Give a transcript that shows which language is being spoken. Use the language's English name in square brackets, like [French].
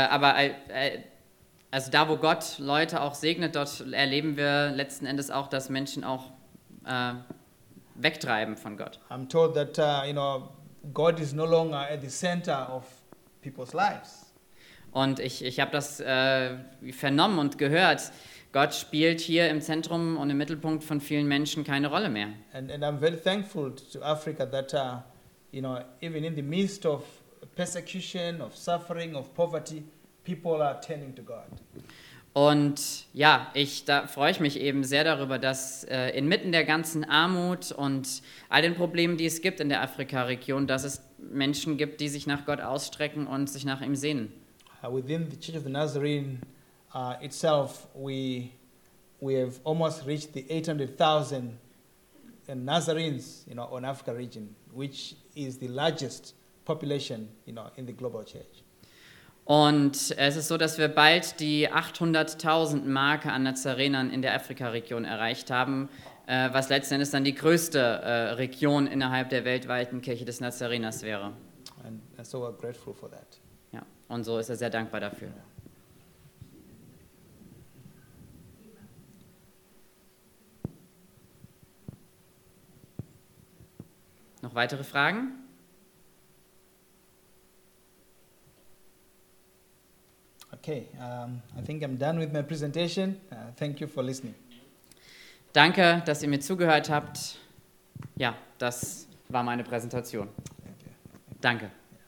[German] Aber da, wo Gott Leute auch segnet, dort erleben wir letzten Endes auch, dass Menschen auch wegtreiben von Gott. [English] I'm told that you know, God is no longer at the center of people's lives. [German] Und ich habe das vernommen und gehört. Gott spielt hier im Zentrum und im Mittelpunkt von vielen Menschen keine Rolle mehr. [English] And I'm very thankful to Africa that you know, even in the midst of persecution, of suffering, of poverty, people are turning to God. [German] Und ja, da freue ich mich eben sehr darüber, dass inmitten der ganzen Armut und all den Problemen, die es gibt in der Afrika-Region, dass es Menschen gibt, die sich nach Gott ausstrecken und sich nach ihm sehnen. [English] Within the Church of the Nazarene itself, we have almost reached the 800,000 Nazarenes, you know, on Africa region, which is the largest population, you know, in the global church. [German] Und es ist so, dass wir bald die 800.000 Marke an Nazarenern in der Afrika-Region erreicht haben, was letzten Endes dann die größte Region innerhalb der weltweiten Kirche des Nazareners wäre. [English] And so we're grateful for that. [German] Ja, und so ist er sehr dankbar dafür. Noch weitere Fragen? [English] Okay, I think I'm done with my presentation. Thank you for listening. [German] Danke, dass ihr mir zugehört habt. Ja, das war meine Präsentation. Danke.